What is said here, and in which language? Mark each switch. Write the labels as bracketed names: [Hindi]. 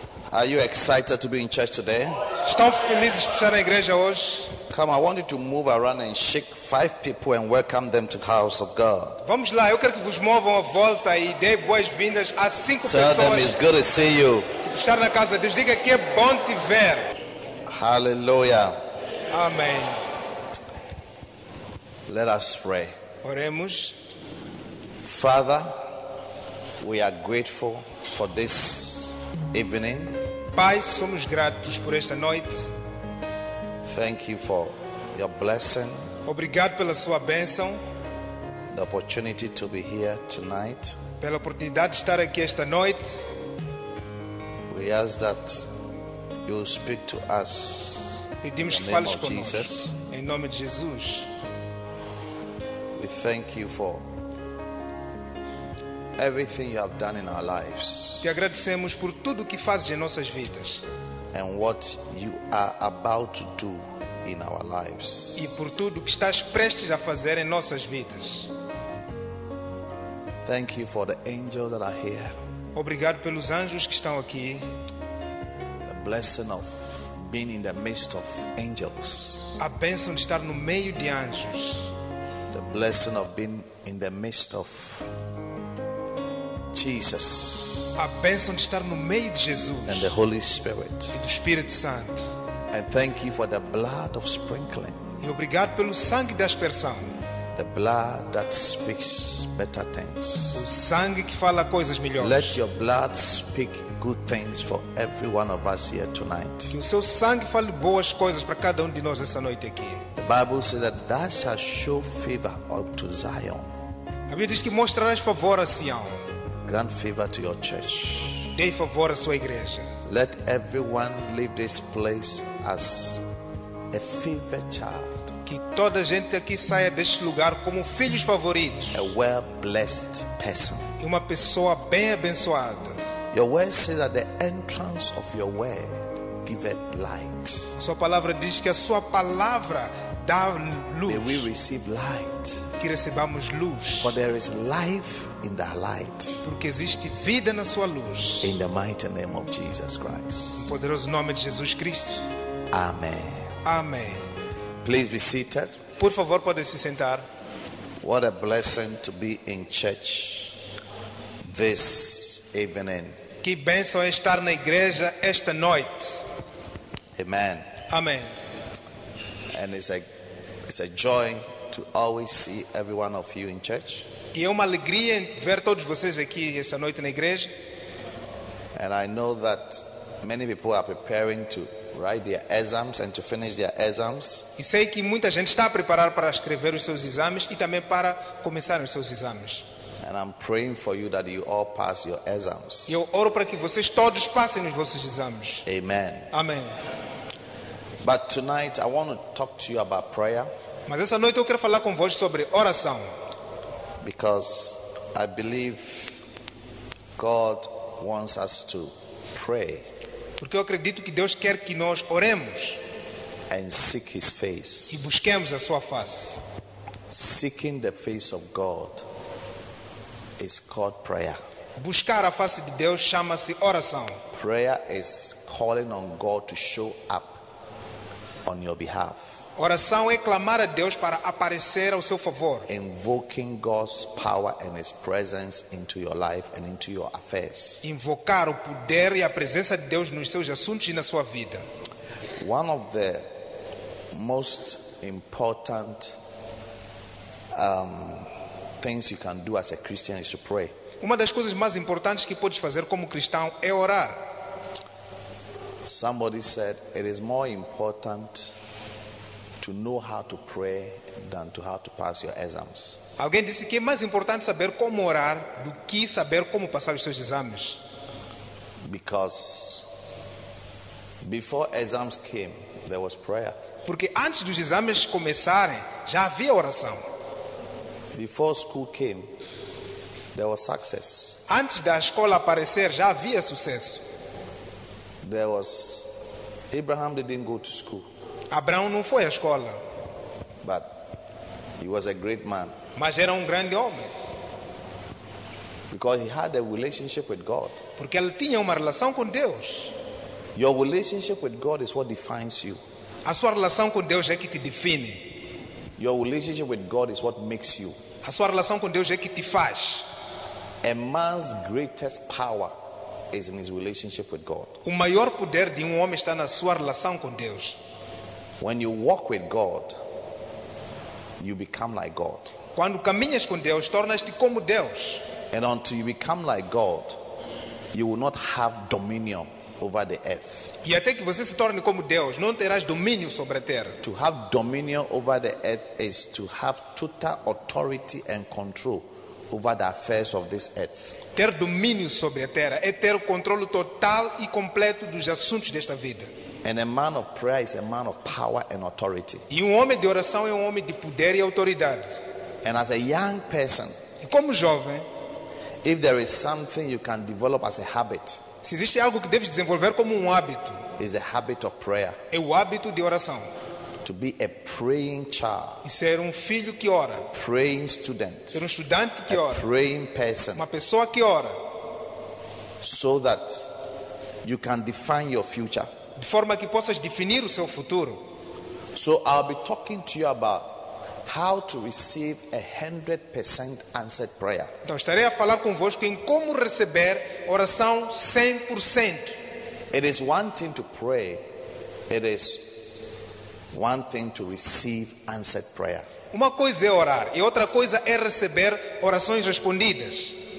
[English] Are you excited to be in church today? [Portuguese] Estão felizes por estar na igreja hoje? [English] Come, I want you to move around and shake 5 people and welcome them to the house of God. [Portuguese] Vamos lá, eu quero que vos movam à volta e deem boas-vindas a 5 pessoas. [English] Tell them it's good to see you. [Portuguese] Estar na casa, Deus diga que é bom te ver. [English] Hallelujah. [Portuguese] Amém. [English] Let us pray. [Portuguese] Oremos. [English] Father, we are grateful for this evening. [Portuguese] Pai, somos gratos por esta noite. [English] Thank you for your blessing. [Portuguese] Obrigado pela sua bênção. [English] The opportunity to be here tonight. [Portuguese] Pela oportunidade de estar aqui esta noite. [English] We ask that you speak to us. [Portuguese] Pedimos que fales conosco. Em nome de Jesus. [English] We thank you for everything you have done in our lives. [Portuguese] Te agradecemos por tudo o que fazes em nossas vidas. [English] And what you are about to do in our lives. [Portuguese] E por tudo o que estás prestes a fazer em nossas vidas. [English] Thank you for the angels that are here. [Portuguese] Obrigado pelos anjos que estão aqui. [English] The blessing of being in the midst of angels. [Portuguese] A bênção de estar no meio de anjos. [English] The blessing of being in the midst of Jesus. [Portuguese] A bênção de estar no meio de Jesus. [English] And the Holy Spirit. [Portuguese] E do Espírito Santo. [English] And thank you for the blood of sprinkling. [Portuguese] E obrigado pelo sangue da aspersão. [English] The blood that speaks better things. [Portuguese] O sangue que fala coisas melhores. [English] Let your blood speak good things for every one of us here tonight. [Portuguese] Que o seu sangue fale boas coisas para cada de nós essa noite aqui. [English] The Bible says that thou shalt show favor unto Zion. [Portuguese] A Bíblia diz que mostrarás favor a Sião. [English] Grant favor to your church. [Portuguese] Dê favor à sua igreja. [English] Let everyone leave this place as a favorite child. [Portuguese] Que toda a gente aqui saia deste lugar como filhos favoritos. [English] A well-blessed person. [Portuguese] E uma pessoa bem abençoada. [English] Your word says that the entrance of your word giveth light. [Portuguese] A sua palavra diz que a sua palavra dá luz. [English] May we receive light. [Portuguese] Que recebamos luz. [English] For there is life in the light. [Portuguese] Porque existe vida na sua luz. [English] In the mighty name of Jesus Christ. [Portuguese] No poderoso nome de Jesus Cristo. [English] Amen. [Portuguese] Amen. [English] Please be seated. [Portuguese] Por favor, pode se sentar. [English] What a blessing to be in church this evening. [Portuguese] Que bênção é estar na igreja esta noite. [English] Amen. [Portuguese] Amen. [English] And it's a joy to always see every one of you in church. [Portuguese] E é uma alegria ver todos vocês aqui essa noite na igreja. [English] And I know that many people are preparing to write their exams and to finish their exams. [Portuguese] E sei que muita gente está a preparar para escrever os seus exames e também para começar os seus exames. [English] And I'm praying for you that you all pass your exams. [Portuguese] E eu oro para que vocês todos passem os vossos exames. [English] Amen. [Portuguese] Amém. [English] But tonight I want to talk to you about prayer. [Portuguese] Mas essa noite eu quero falar com vocês sobre oração. [English] Because I believe God wants us to pray. [Portuguese] Porque eu acredito que Deus quer que nós oremos. [English] And seek His face. [Portuguese] E busquemos a sua face. [English] Seeking the face of God is called prayer. [Portuguese] Buscar a face de Deus chama-se oração. [English] Prayer is calling on God to show up on your behalf. [Portuguese] Oração é clamar a Deus para aparecer ao seu favor. [English] Invoking God's power and His presence into your life and into your affairs. [Portuguese] Invocar o poder e a presença de Deus nos seus assuntos e na sua vida. [English] One of the most important things you can do as a Christian is to pray. [Portuguese] Uma das coisas mais importantes que podes fazer como cristão é orar. [English] Somebody said it is more important to know how to pray than to how to pass your exams. [Portuguese] Alguém disse que é mais importante saber como orar do que saber como passar os seus exames. [English] Because Before exams came, there was prayer. [Portuguese] Porque antes dos exames começarem, já havia oração. [English] Before school came, there was success. [Portuguese] Antes da escola aparecer, já havia sucesso. [English] There was Abraham didn't go to school. [Portuguese] Abraão não foi à escola. [English] But he was a great man. [Portuguese] Mas era grande homem. [English] Because he had a relationship with God. [Portuguese] Porque ele tinha uma relação com Deus. [English] Your relationship with God is what defines you. [Portuguese] A sua relação com Deus é que te define. [English] Your relationship with God is what makes you. [Portuguese] A sua relação com Deus é que te faz. [English] A man's greatest power is in his relationship with God. [Portuguese] O maior poder de homem está na sua relação com Deus. [English] When you walk with God, you become like God. [Portuguese] Quando caminhas com Deus, tornas-te como Deus. [English] And until you become like God, you will not have dominion over the earth. [Portuguese] E até que você se torne como Deus, não terás domínio sobre a terra. [English] To have dominion over the earth is to have total authority and control over the affairs of this earth. [Portuguese] Ter domínio sobre a terra é ter o controle total e completo dos assuntos desta vida. [English] And a man of prayer is a man of power and authority. [Portuguese] E homem de oração é homem de poder e autoridade. [English] And as a young person, [Portuguese] e como jovem, [English] if there is something you can develop as a habit, [Portuguese] se existe algo que deves desenvolver como hábito, [English] is a habit of prayer. [Portuguese] É o hábito de oração. [English] To be a praying child. [Portuguese] E ser filho que ora. [English] A praying student. [Portuguese] Ser estudante que a ora. [English] A praying person. [Portuguese] Uma pessoa que ora. [English] So that you can define your future. [Portuguese] De forma que possas definir o seu futuro. [English] So I'll be talking to you about how to receive a 100% answered prayer. [Portuguese] Então estarei a falar convosco em como receber oração 100%. [English] It is one thing to pray. It is one thing to receive answered prayer. [Portuguese] Uma coisa é orar e outra coisa é receber orações respondidas.